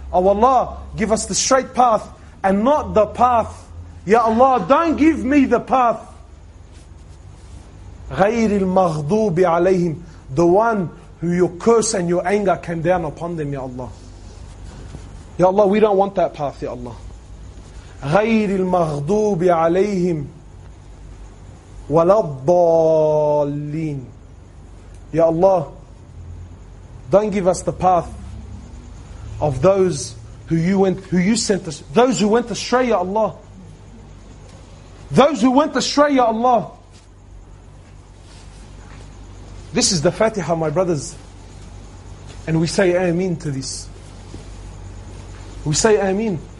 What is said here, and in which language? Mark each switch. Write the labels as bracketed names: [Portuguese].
[English] Oh Allah, give us the straight path and not the path. Ya Allah, don't give me the path. Ghayri al-maghdubi alayhim. The one who your curse and your anger came down upon them, Ya Allah. Ya Allah, we don't want that path, Ya Allah. [Arabic] غير المغضوب عليهم ولا الضالين. [English] Ya Allah, don't give us the path of those who you went, who you sent us, those who went astray, Ya Allah. Those who went astray, Ya Allah. This is the Fatiha, my brothers. And we say Ameen to this. We say Ameen.